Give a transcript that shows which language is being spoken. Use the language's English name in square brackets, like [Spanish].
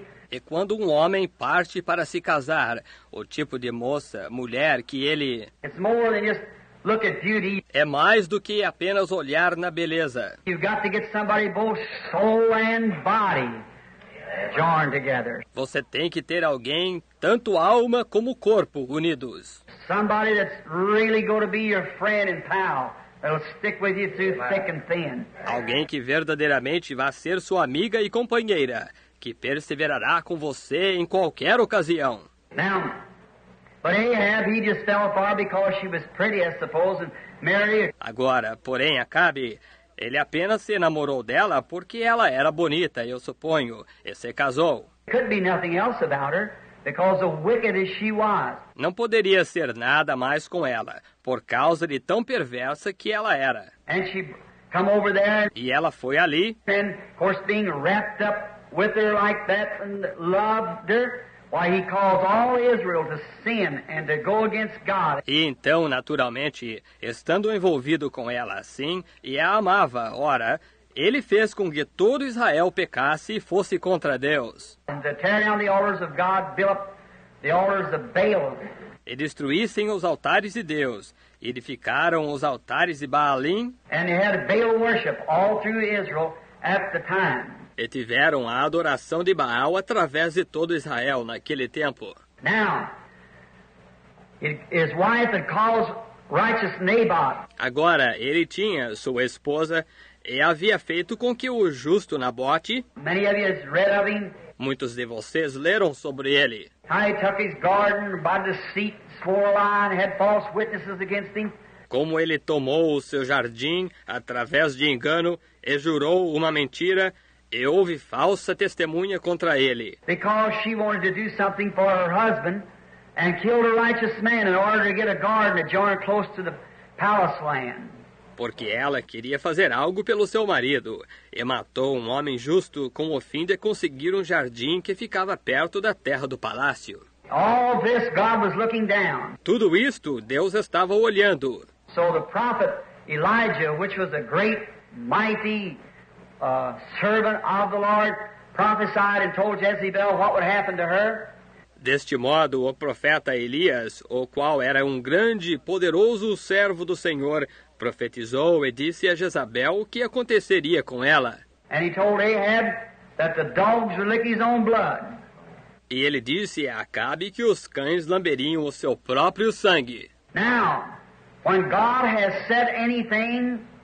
[Portuguese] E quando um homem parte para se casar, o tipo de moça, mulher que ele... [English] It's more than just look at beauty. [Portuguese] É mais do que apenas olhar na beleza. [English] You've got to get somebody both soul and body joined together. [Portuguese] Você tem que ter alguém, tanto alma como corpo, unidos. [English] Somebody that's really going to be your friend and pal that'll stick with you through thick and thin. [Portuguese] Alguém que verdadeiramente vá ser sua amiga e companheira, que perseverará com você em qualquer ocasião. [English] Now, but Ahab, he just fell far because she was pretty, I suppose, and married. [Portuguese] Agora, porém, Acabe, ele apenas se namorou dela porque ela era bonita, eu suponho, e se casou. [English] Could be nothing else about her. because of wicked as she was. [Portuguese] Não poderia ser nada mais com ela, por causa de tão perversa que ela era. [English] And she come over there. [Portuguese] E ela foi ali. [English] And of course, being wrapped up with her like that and loved her. Why he calls all Israel to sin and to go against God. [Portuguese] E então, naturalmente, estando envolvido com ela assim, e a amava, ora, ele fez com que todo Israel pecasse e fosse contra Deus. [English] And to tear down the altars of God, build up the altars of Baal. [Portuguese] E destruíssem os altares de Deus, edificaram os altares de Baalim. [English] And they had Baal worship all through Israel at the time. [Portuguese] E tiveram a adoração de Baal através de todo Israel naquele tempo. [English] Now, his wife had called righteous Naboth. [Portuguese] Agora, ele tinha sua esposa e havia feito com que o justo Nabote. [English] Many of you read of him. [Portuguese] Muitos de vocês leram sobre ele. [English] How he took his garden by deceit, swore a lie, and had false witnesses against him. [Portuguese] Como ele tomou o seu jardim através de engano e jurou uma mentira. E houve falsa testemunha contra ele. [English] Because she wanted to do something for her husband and killed a righteous man in order to get a garden adjoined close to the palace land. [Portuguese] Porque ela queria fazer algo pelo seu marido e matou um homem justo com o fim de conseguir um jardim que ficava perto da terra do palácio. [English] All this God was looking down. [Portuguese] Tudo isto Deus estava olhando. [English] So the prophet Elijah, which was a great, mighty servant of the Lord, prophesied and told Jezebel what would happen to her. [Portuguese] Deste modo, o profeta Elias, o qual era um grande e poderoso servo do Senhor, profetizou e disse a Jezabel o que aconteceria com ela. [English] And he told Ahab that the dogs would lick his own blood. [Portuguese] E ele disse a Acabe que os cães lamberiam o seu próprio sangue. [English] Now, when God has said anything,